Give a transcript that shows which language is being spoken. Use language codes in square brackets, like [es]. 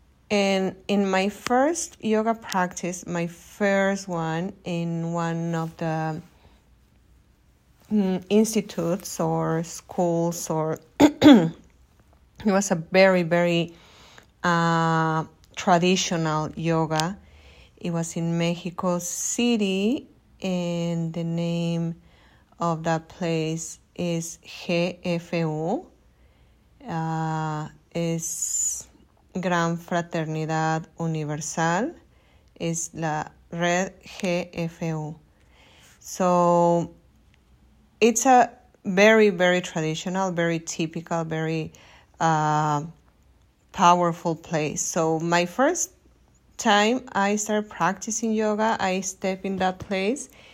[en] And in my first yoga practice, my first one in one of the institutes or schools, or it was a very traditional yoga. It was in Mexico City, and the name of that place is GFU. [es] Es Gran Fraternidad Universal, es la Red GFU. [en] So it's a very traditional, very typical, very powerful place. So my first time I started practicing yoga, I stepped in that place.